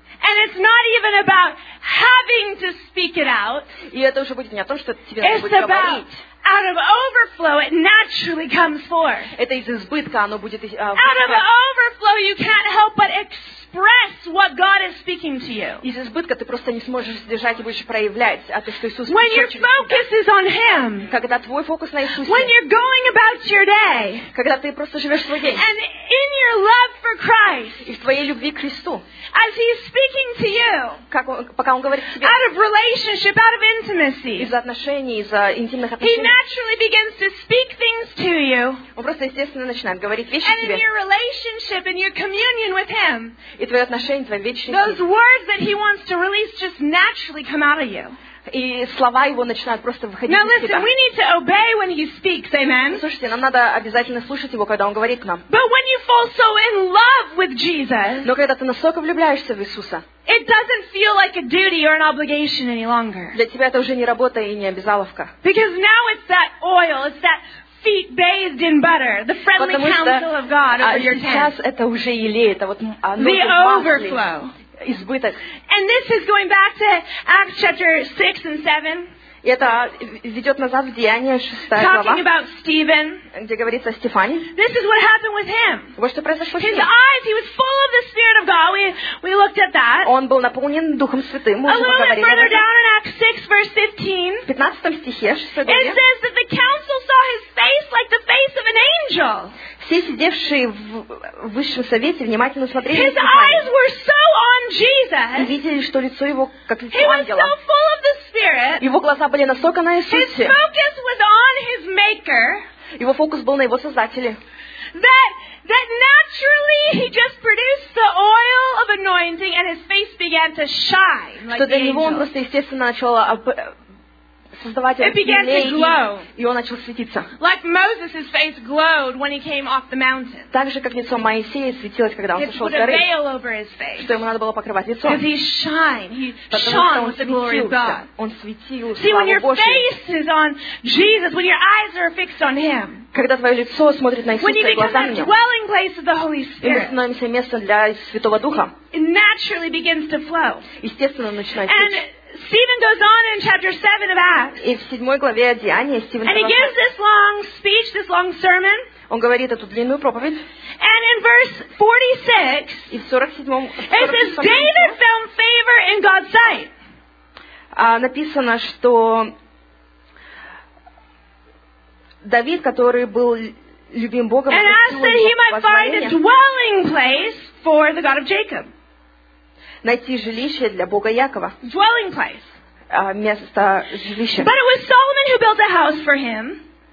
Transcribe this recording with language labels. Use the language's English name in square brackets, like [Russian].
[English] And it's not even about having to speak it out. [Russian] И это уже будет не о том, что тебе надо будет говорить. [English] Out of overflow, it naturally comes forth. [Russian] Это из избытка оно будет. [English] Out of overflow, you can't help but express what God is speaking to you. [Russian] Из избытка ты просто не сможешь сдержать и будешь проявлять о том, что Иисус. [English] When your focus is on Him. [Russian] Когда твой фокус на Иисусе. [English] When you're going about your day. [Russian] Когда ты просто живешь свой день. [English] And in your love for Christ. [Russian] И в твоей любви к Христу. [English] As He's speaking to you. [Russian] Как он, пока он говорит к тебе. [English] Out of relationship, out of intimacy. [Russian] Из отношений, из интимных отношений. [English] He naturally begins to speak things to you. [Russian] Он просто естественно начинает говорить вещи тебе. [English] And in your relationship, in your communion with Him. [Russian] И твои отношения, твои вечности. [English] Those words that He wants to release just naturally come out of you. [Russian] И слова Его начинают просто выходить [English] Now, [Russian] из [English] listen, [Russian] тебя. [English] We need to obey when He speaks, amen. [Russian] Слушайте, нам надо обязательно слушать Его, когда Он говорит к нам. [English] But when you fall so in love with Jesus. [Russian] Но когда ты настолько влюбляешься в Иисуса. [English] It doesn't feel like a duty or an obligation any longer. [Russian] Для тебя это уже не работа и не обязаловка. [English] Because now it's that oil, it's that feet bathed in butter, the friendly counsel of God over your tent. [Russian] Сейчас это уже елей, это вот [English] the overflow. [Russian] Избыток. [English] And this is going back to Acts chapter 6 and 7. [Russian] И это ведет назад в Деяния 6 глава. [English] Talking about Stephen. [Russian] Где говорится о Стефане. [English] This is what happened with him. [Russian] Вот что произошло с ним. [English] His eyes, he was full of the Spirit of God. We looked at that. [Russian] Он был наполнен Духом Святым. [English] A little bit further down in Acts 6, verse 15. [Russian] В 15 стихе, 6 главе. [English] It says that the council saw his face like the face of an angel. [Russian] Все сидевшие в высшем совете внимательно смотрели на Стефана. [English] His eyes were so on Jesus. [Russian] И видели, что лицо его как лицо ангела. [English] He was so full of the Spirit. [Russian] Его глаза были настолько на Иисусе. [English] His focus was on his maker. [Russian] Его фокус был на его создателе. [English] That naturally he just produced the oil of anointing and his face began to shine like [Russian] что для него он просто естественно начал создавать [English] It began to glow. [Russian] И он начал светиться. [English] Like Moses' face glowed when he came off the mountain. [Russian] Так же, как лицо Моисея светилось, когда он сошел с горы. [English] He put a veil over his face. [Russian] Что ему надо было покрывать лицо. [English] Because he shined. He shone with the glory of God. [Russian] Он светил. [English] See, when your face is on Jesus, when your eyes are fixed on Him, [Russian] когда твое лицо смотрит на Иисуса и глаза на Него, [English] dwelling place of the Holy Spirit, [Russian] и мы становимся местом для Святого Духа, [English] it naturally begins to flow. [Russian] Естественно, начинает течь. [English] Stephen goes on in chapter 7 of Acts. [Russian] И в 7 главе Деяния Стивен. [English] And he gives this long speech, this long sermon. [Russian] Он говорит эту длинную проповедь. [English] And in verse 46. [Russian] И в 47. [English] It says David found favor in God's sight. [Russian] Написано, что Давид, который был любим Богом, [English] and asked that he might find a dwelling place for the God of Jacob. [Russian] Найти жилище для Бога Якова. [English] Dwelling place. [Russian] Место жилища. [English] But it was Solomon who built a house for him.